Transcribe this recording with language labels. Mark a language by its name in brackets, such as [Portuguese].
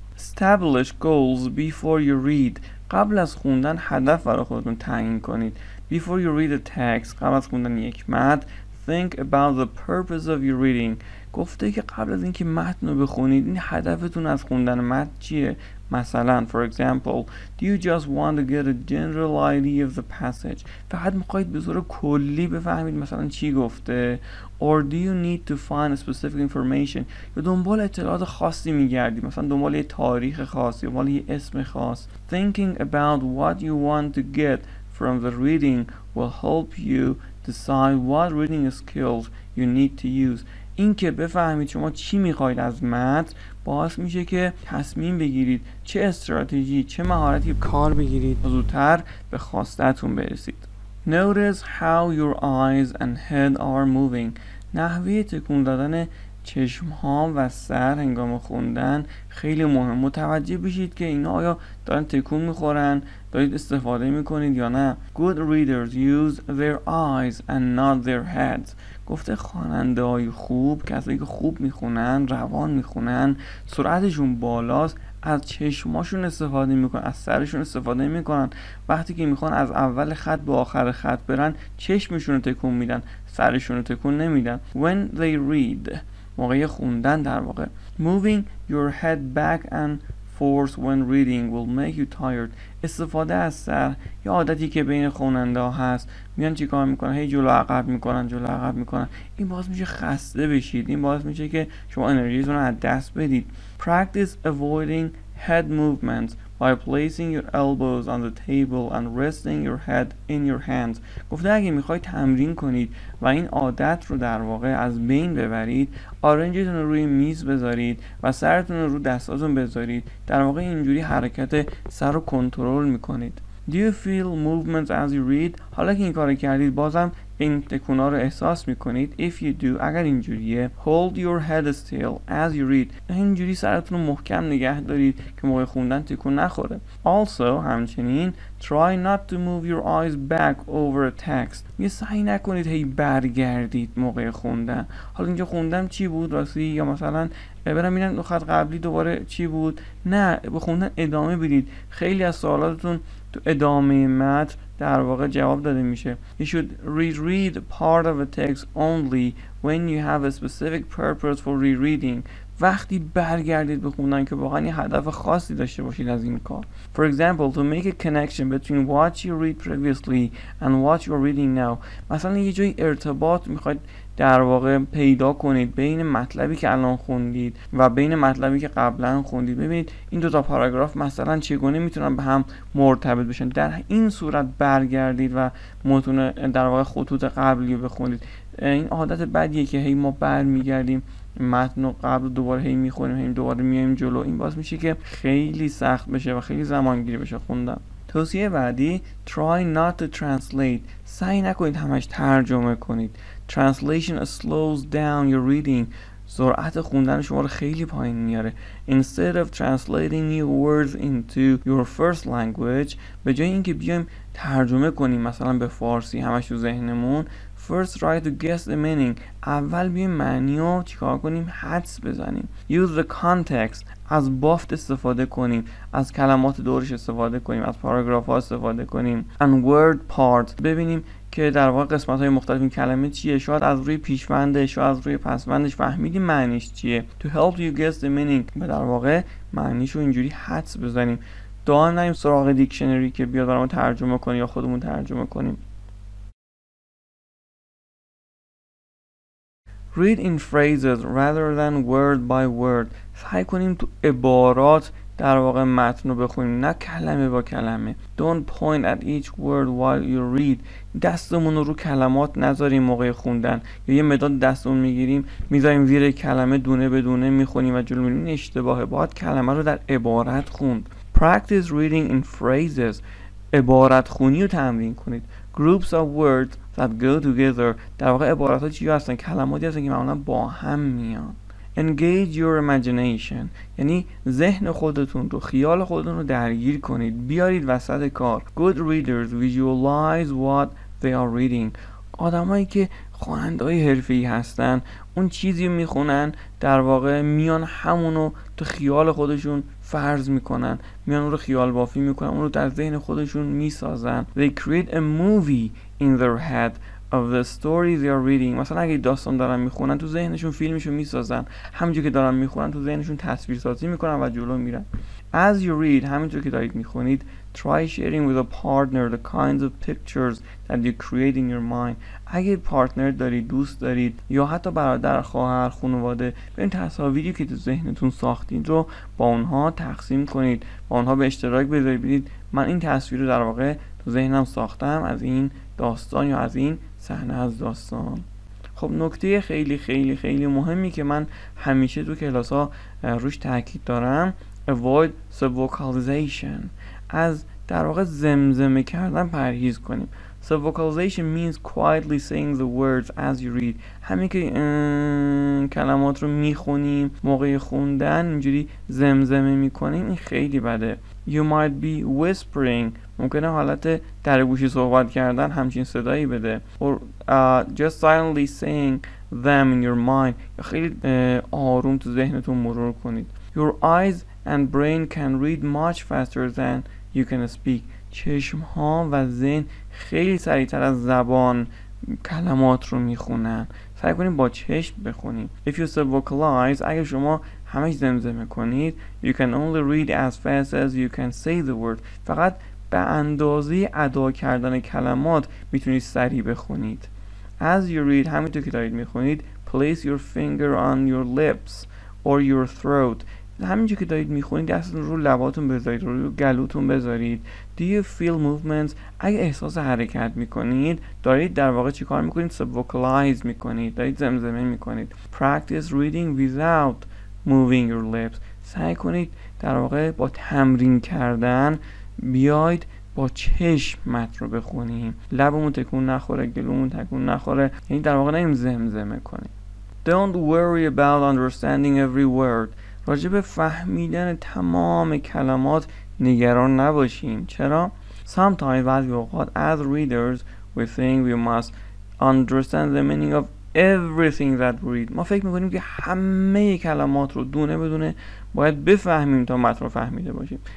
[English] Establish goals before you read، [Persian] قبل از خوندن هدف برای خودتون تعیین کنید. [English] Before you read a text، [Persian] قبل از خوندن یک متن، [English] think about the purpose of your reading، [Persian] گفته که قبل از اینکه متن رو بخونید این هدفتون از خوندن متن چیه. مثلا [English] for example، do you just want to get a general idea of the passage، [Persian] فقط میخواید به طور کلی بفهمید مثلا چی گفته. [English] Or do you need to find a specific information، [Persian] یا دنبال اطلاعات خاصی میگردی، مثلا دنبال یه تاریخ خاص یا دنبال یه اسم خاص. [English] Thinking about what you want to get from the reading will help you decide what reading skills you need to use، [Persian] این که بفهمید شما چی میخواید از متن باعث میشه که تصمیم بگیرید چه استراتژی، چه مهارتی کار بگیرید و زودتر به خواستتون برسید. [English] Notice how your eyes and head are moving، [Persian] نحوه تکون دادن چشم ها و سر هنگام خوندن خیلی مهم. متوجه بشید که اینا آیا دارن تکون میخورن، دارید استفاده میکنید یا نه. [English] Good readers use their eyes and not their heads. [Persian] گفته خواننده های خوب، کسایی که خوب میخونن، روان میخونن، سرعتشون بالاست، از چشماشون استفاده میکنن، از سرشون استفاده میکنن. وقتی که میخوان از اول خط به آخر خط برن، چشمشون رو تکون میدن، سرشون رو تکون نمیدن. [English] When they read، [Persian] موقع خوندن در واقع. [English] Moving your head back and forth when reading will make you tired. [Persian] استفاده از سر یا عادتی که بین خواننده ها هست، میان چی کار میکنن، هی جلو عقب میکنن، جلو عقب میکنن، این باعث میشه خسته بشید، این باعث میشه که شما انرژیتون رو از دست بدید. [English] Practice avoiding head movements by placing your elbows on the table and resting your head in your hands. [Persian] گفته اگه میخوای تمرین کنید و این عادت رو در واقع از بین ببرید، آرنجتون رو روی میز بذارید و سرتون رو دستاتون بذارید، در واقع اینجوری حرکت سر رو کنترل میکنید. [English] Do you feel movements as you read? [Persian] حالا که این کار کردید بازم این تکونا رو احساس میکنید؟ [English] If you do، [Persian] اگر اینجوریه، [English] hold your head still as you read، [Persian] اینجوری سرتون رو محکم نگه دارید که موقع خوندن تکون نخوره. [English] Also، [Persian] همچنین، [English] try not to move your eyes back over a text. [Persian] یه سعی نکنید هی برگردید موقع خوندن. حالا اینجا خوندم چی بود راستی؟ یا مثلا برم اینم خط قبلی دوباره چی بود؟ نه، به خوندن ادامه بدید. خیلی از سوالاتتون تو ادامه متن در واقع جواب داده میشه. [English] You should reread part of a text only when you have a specific purpose for rereading. [Persian] وقتی برگردید بخونن که واقعا یه هدف خاصی داشته باشید از این کار. [English] For example, to make a connection between what you read previously and what you're reading now. [Persian] مثلا یه جایی ارتباط میخواید در واقع پیدا کنید بین مطلبی که الان خوندید و بین مطلبی که قبلا خوندید. ببینید این دو تا پاراگراف مثلا چگونه میتونن به هم مرتبط بشن. در این صورت برگردید و متن در واقع خطوط قبلی رو بخونید. این عادت بدیه که هی ما برمیگردیم متن رو قبل دوباره هی میخونیم، هی دوباره میایم جلو. این باعث میشه که خیلی سخت بشه و خیلی زمانگیر بشه خوندن. توصیه بعدی، [English] try not to translate. [Persian] سعی نکنید همش ترجمه کنید. [English] Translation slows down your reading. [Persian] سرعت خوندن شما رو خیلی پایین میاره. [English] Instead of translating new words into your first language، [Persian] به جای اینکه بیایم ترجمه کنیم مثلا به فارسی همش تو ذهنمون، [English] first try to guess the meaning. [Persian] اول بیایم معنی رو چیکار کنیم، حدس بزنیم. [English] Use the context، [Persian] از بافت استفاده کنیم، از کلمات دورش استفاده کنیم، از پاراگراف ها استفاده کنیم. [English] And word part، [Persian] ببینیم که در واقع قسمت های مختلف این کلمه چیه، شاید از روی پیشوندش، شاید از روی پسوندش فهمیدیم معنیش چیه. [English] To help you guess the meaning، [Persian] به در واقع معنیشو اینجوری حدس بزنیم. دائم نریم سراغ دیکشنری که بیاد برامون ترجمه کنیم یا خودمون ترجمه کنیم. [English] Read in phrases rather than word by word. [Persian] سعی کنیم تو عبارات در واقع متن رو بخونیم، نه کلمه با کلمه. [English] Don't point at each word while you read. [Persian] دستمون رو کلمات نذاریم موقع خوندن، یا یه مداد دستمون میگیریم میذاریم زیر کلمه دونه به دونه میخونیم و جلو میریم. این اشتباهه، باید کلمه رو در عبارت خوند. [English] Practice reading in phrases. [Persian] عبارت خونی رو تمرین کنید. [English] Groups of words that go together. [Persian] در واقع عبارت ها چی هستن؟ کلماتی هستن که معمولا با هم میان. [English] Engage your imagination، [Persian] یعنی ذهن خودتون رو، خیال خودتون رو درگیر کنید، بیارید وسط کار. [English] Good readers visualize what they are reading. [Persian] آدمایی که خواننده‌های حرفه‌ای هستن، اون چیزی میخونن در واقع میان همونو تو خیال خودشون فرض میکنن، میان اون رو خیال بافی میکنن، اون رو در ذهن خودشون میسازن. [English] They create a movie in their head of the story they are reading. [Persian] مثلا اگه داستان دارن میخونن، تو ذهنشون فیلمشو میسازن، همینجوری که دارن میخونن تو ذهنشون تصویر سازی میکنن و جلو میرن. [English] As you read، [Persian] همینجوری که دارید میخونید، [English] try sharing with a partner the kinds of pictures that you create in your mind. [Persian] اگه پارتنر دارید، دوست دارید، یا حتی برادر، خواهر، خانواده، ببین تصاویری که تو ذهنتون ساختید رو با اونها تقسیم کنید، با اونها به اشتراک بذارید، ببینید من این تصویر رو در واقع تو ذهنم ساختم از این داستان یا از این صحنه از داستان. خب نکته خیلی خیلی خیلی مهمی که من همیشه تو کلاس ها روش تاکید دارم، [English] avoid sub-vocalization، [Persian] از در واقع زمزمه کردن پرهیز کنیم. [English] So vocalization means quietly saying the words as you read. [Persian] همین که کلمات رو میخونیم موقع خوندن اینجوری زمزمه میکنیم این خیلی بده. [English] You might be whispering. [Persian] ممکنه حالت در گوشی صحبت کردن همچین صدایی بده. [English] Or just silently saying them in your mind. [Persian] خیلی آروم تو ذهنتون مرور کنید. [English] Your eyes and brain can read much faster than you can speak. [Persian] چشم ها و ذهن خیلی سریعتر از زبان کلمات رو میخونن. سعی کنید با چشم بخونید. [English] If you sub-vocalize, [Persian] اگر شما همش زمزمه کنید, [English] you can only read as fast as you can say the word. [Persian] فقط به اندازه ادا کردن کلمات میتونید سریع بخونید. [English] As you read, [Persian] همینطور که دارید میخونید, [English] place your finger on your lips or your throat. [Persian] همینجور که دارید میخونید دستتون رو لباتون بذارید, رو گلوتون بذارید. [English] Do you feel movements? [Persian] اگه احساس حرکت میکنید دارید در واقع چی کار میکنید؟ Sub-vocalize میکنید, دارید زمزمه میکنید. [English] Practice reading without moving your lips. [Persian] سعی کنید در واقع با تمرین کردن بیاید با چشم متن رو بخونیم. لبمون تکون نخوره, گلومون تکون نخوره, یعنی در واقع نمیم زمزمه کنیم. [English] Don't worry about understanding every word. [Persian] راجع به فهمیدن تمام کلمات نگران نباشیم. چرا؟ [English] Sometimes, [Persian] بعضی اوقات, [English] as readers, we think we must understand the meaning of everything that we read. [Persian] ما فکر میکنیم که همه کلمات رو دونه بدونه باید بفهمیم تا متن رو فهمیده باشیم.